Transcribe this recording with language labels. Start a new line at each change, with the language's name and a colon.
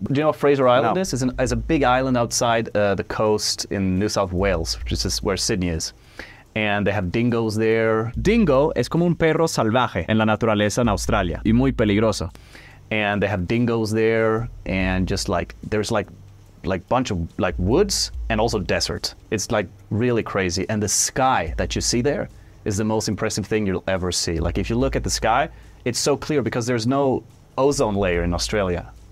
English: Do you know what Fraser Island No. is? It's a big island outside the coast in New South Wales, which is where Sydney is. And they have dingoes there.
Spanish: Dingo es como un perro salvaje en la naturaleza en Australia. Y muy peligroso.
English: And they have dingoes there. And just like, there's like bunch of like woods and also desert. It's like really crazy. And the sky that you see there is the most impressive thing you'll ever see. Like if you look at the sky, it's so clear because there's no ozone layer in Australia.